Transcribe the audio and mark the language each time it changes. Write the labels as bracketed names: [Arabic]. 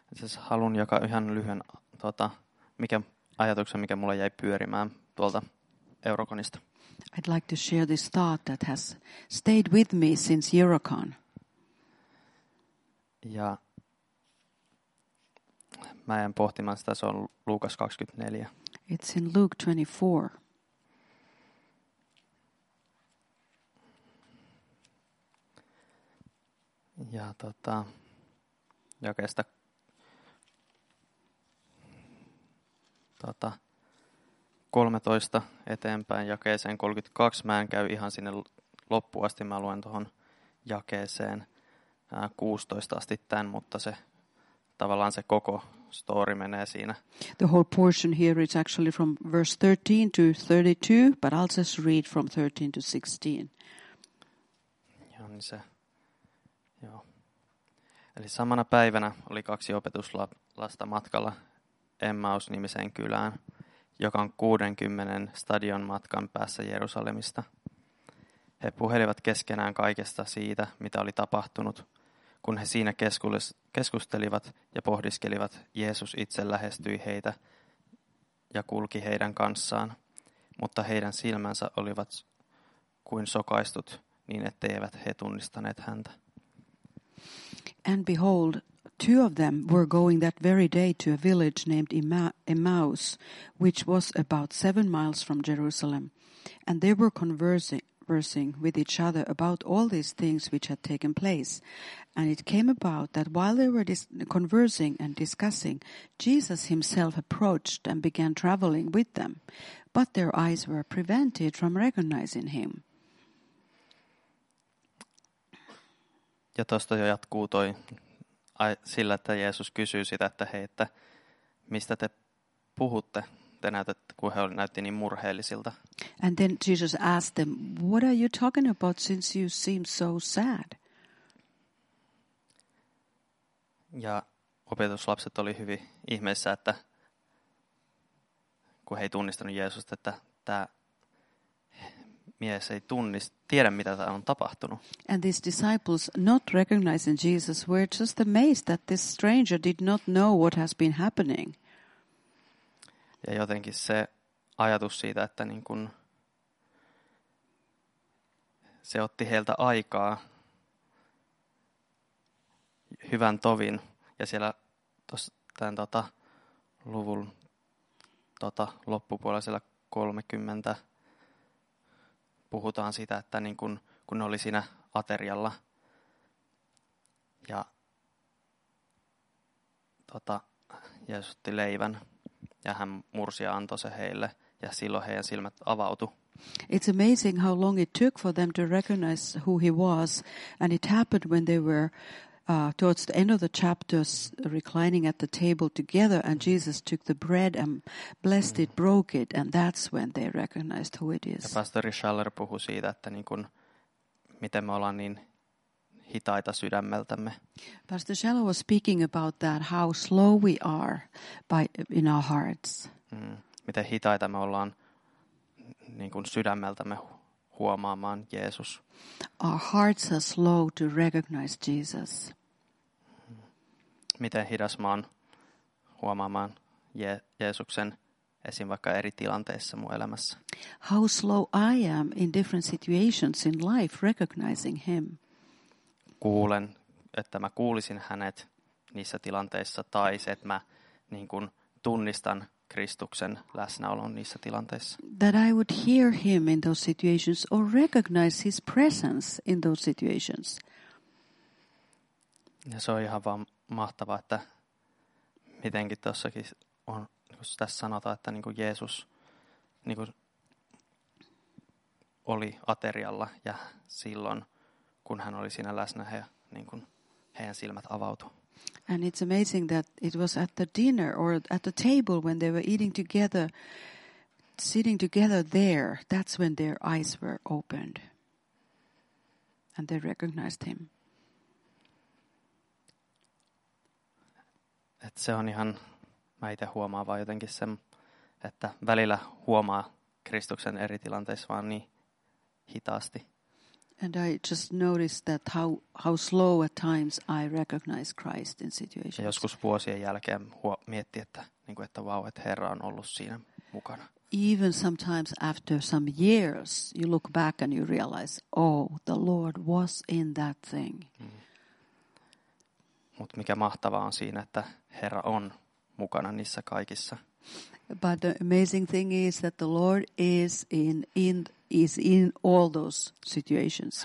[Finnish] Siis haluan jakaa ihan lyhyen mikä ajatuksen, mikä mulle jäi pyörimään tuolta Eurocanista. [English] I'd like to share this thought that has stayed with me since Eurocan. [Finnish] Ja mä jään pohtimaan sitä, se on Luukas 24. [English] It's in Luke 24. [Finnish] Ja jakeesta 13 eteenpäin jakeeseen 32. Mä en käy ihan sinne loppuun asti. Mä luen tuohon jakeeseen 16 asti tämän, mutta se tavallaan se koko story menee siinä. [English] The whole portion here is actually from verse 13 to 32, but I'll just read from 13 to 16. [Finnish] Joo, niin se. Joo. Eli samana päivänä oli kaksi opetuslasta matkalla Emmaus-nimiseen kylään, joka on 60 stadion matkan päässä Jerusalemista. He puhelivat keskenään kaikesta siitä, mitä oli tapahtunut. Kun he siinä keskustelivat ja pohdiskelivat, Jeesus itse lähestyi heitä ja kulki heidän kanssaan. Mutta heidän silmänsä olivat kuin sokaistut, niin etteivät he tunnistaneet häntä. [English] And behold, two of them were going that very day to a village named Emmaus, which was about 7 miles from Jerusalem. And they were conversing with each other about all these things which had taken place. And it came about that while they were conversing and discussing, Jesus himself approached and began traveling with them. But their eyes were prevented from recognizing him. [Finnish] Ja tuosta jo jatkuu toi sillä, että Jeesus kysyy sitä, että hei, että mistä te puhutte? Te näytätte, kun he näytti niin murheellisilta. [English] And then Jesus asked them, what are you talking about since you seem so sad? [Finnish] Ja opetuslapset oli hyvin ihmeessä, että kun he ei tunnistanut Jeesusta, että tämä mies ei tiedä, mitä tämä on tapahtunut. [English] And these disciples, not recognizing Jesus, were just amazed that this stranger did not know what has been happening. [Finnish] Ja jotenkin se ajatus siitä, että niin kun se otti heiltä aikaa hyvän tovin. Ja siellä tämän luvun loppupuolella siellä 30 puhutaan sitä, että niin kun ne oli siinä aterialla ja Jeesus otti leivän ja hän mursi ja antoi se heille ja silloin heidän silmät avautu. [English] It's amazing how long it took for them to recognize who he was, and it happened when they were towards the end of the chapter, reclining at the table together, and Jesus took the bread and blessed it, broke it, and that's when they recognized who it is. [Finnish] Ja pastori Schaller puhui siitä, että niin kuin, miten me ollaan niin hitaita sydämeltämme. [English] Pastor Schaller was speaking about that, how slow we are in our hearts. [Finnish] Miten hitaita me ollaan niin kuin sydämeltämme huomaamaan Jeesus. [English] Our hearts are slow to recognize Jesus. [Finnish] Miten hidas mä oon huomaamaan Jeesuksen esim. Vaikka eri tilanteissa mun elämässä. [English] How slow I am in different situations in life recognizing him. [Finnish] Kuulen, että mä kuulisin hänet niissä tilanteissa tai se, että mä niin kuin tunnistan Kristuksen läsnäolon niissä tilanteissa. [English] That I would hear him in those situations or recognize his presence in those situations. [Finnish] Ja se on ihan vaan mahtavaa, että mitenkin tuossakin on, kun tässä sanotaan, että niin kuin Jeesus niin kuin oli aterialla ja silloin, kun hän oli siinä läsnä, he, niin kuin heidän silmät avautuivat. [English] And it's amazing that it was at the dinner or at the table when they were eating together, sitting together there, that's when their eyes were opened and they recognized him. [Finnish] Et se on ihan, mä itse huomaan vaan jotenkin sen, että välillä huomaa Kristuksen eri tilanteissa vaan niin hitaasti. [English] And I just noticed that how slow at times I recognize Christ in situations. [Finnish] Ja joskus vuosien jälkeen mietti, että niinku, että vau, että Herra on ollut siinä mukana. [English] Even sometimes after some years you look back and you realize, oh, the Lord was in that thing. [Finnish] Mut mikä mahtavaa on siinä, että Herra on mukana niissä kaikissa. [English] But the amazing thing is that the Lord is in all those situations.